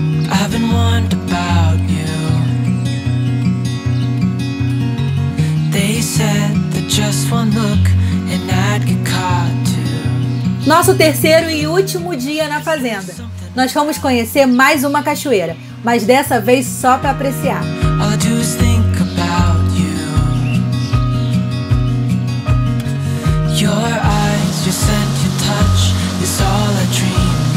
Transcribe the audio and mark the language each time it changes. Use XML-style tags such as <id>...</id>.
<en>haven't warned about you. They said that just one look and I'd get caught too.</en> <pt>Nosso terceiro e último dia na fazenda. Nós vamos conhecer mais uma cachoeira, mas dessa vez só para apreciar.</pt> <en>All I do is think about you. Your eyes, your scent, your touch is all I dream.</en>